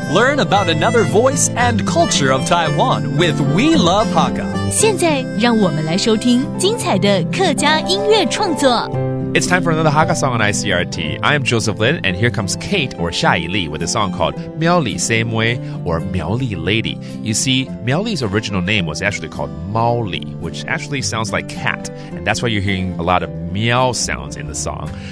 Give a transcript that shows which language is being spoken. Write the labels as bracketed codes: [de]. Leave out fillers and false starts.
[en] Learn about another voice and culture of Taiwan with We Love Hakka. [zh] 现在让我们来收听精彩的客家音乐创作。 [en] It's time for another Hakka song on ICRT. I am Joseph Lin, and here comes Kate or 夏以儷with a song called 苗栗細妹 or 苗栗 Lady. You see, 苗栗's original name was actually called Maoli, which actually sounds like cat, and that's why you're hearing a lot of meow sounds in the song.